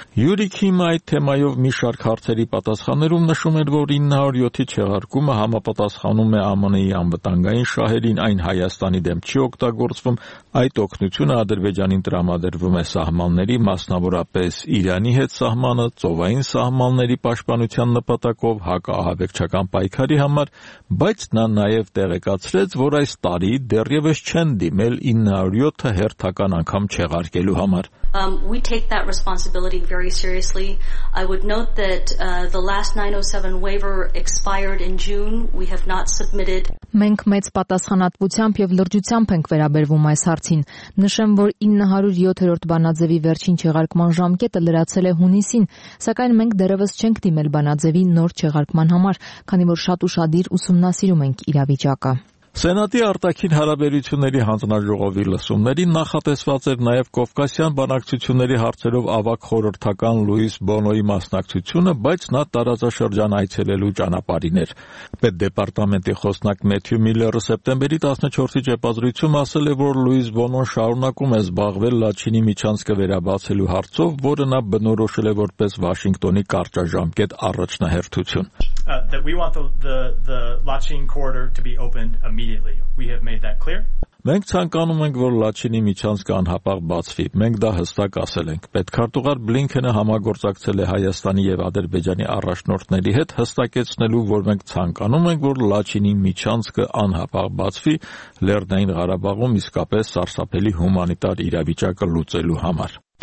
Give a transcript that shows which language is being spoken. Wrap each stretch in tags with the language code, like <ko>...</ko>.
<hy>Յուրի Քիմը այդ թեմայով մի շարք հարցերի պատասխաններում նշում էր, որ 907-ի չեղարկումը համապատասխանում է ԱՄՆ-ի անվտանգային շահերին, այն Հայաստանի դեմ չի օգտագործվում, այդ օգնությունը Ադրբեջանին տրամադրվում է սահմանների, մասնավորապես Իրանի հետ սահմանը, ծովային սահմանների պաշտպանության նպատակով հակահավեկչական պայքարի համար, բայց նա նաև տեղեկացրեց, որ այս տարի դեռևս չեն դիմել 907-ը հերթական անգամ չեղարկելու համար։</hy> <en>We take that responsibility very seriously. I would note that the last 907 waiver expired in June. We have not submitted.</en> <hy>Մենք մեծ պատասխանատվությամբ եւ լրջությամբ ենք վերաբերվում այս հարցին։ Նշեմ, որ 907-րդ բանաձևի վերջին չեղարկման ժամկետը լրացել է հունիսին, սակայն մենք դեռևս չենք դիմել բանաձևի նոր չեղարկման համար, քանի որ շատ ուշադիր ուսումնասիրում ենք իրավիճակը։ Սենատի արտաքին հարաբերությունների հանձնաժողովի լսումներին նախատեսված էր նաև Կովկասյան բանակցությունների հարցերով ավագ խորհրդական Լուիս Բոնոյի մասնակցությունը, բայց նա տարածաշրջան այցելելու ճանապարհին էր։ Պետդեպարտամենտի խոսնակ Մեթյու Միլլերը սեպտեմբերի 14-ի ճեպազրույցում ասել է, որ Լուիս Բոնոն շարունակում է զբաղվել Լաչինի միջանցքը վերաբացելու հարցով, որը նա բնորոշել է որպես Վաշինգտոնի կարճաժամկետ առաջնահերթություն։</hy> <en>That we want the Lachin corridor to be opened immediately. We have made that clear.</en> <hy>Մենք ցանկանում ենք, որ Լաչինի միջանցքը անհապաղ բացվի։ Մենք դա հստակ ասել ենք։ Պետք արտուղար Բլինքենը համագործակցել է Հայաստանի եւ Ադրբեջանի առաջնորդների հետ, հստակեցնելու, որ մենք ցանկանում ենք, որ Լաչինի միջանցքը անհապաղ բացվի Լեռնային Ղարաբաղում իսկապես սարսափելի հումանիտար իրավիճակը լուծելու համար։</hy>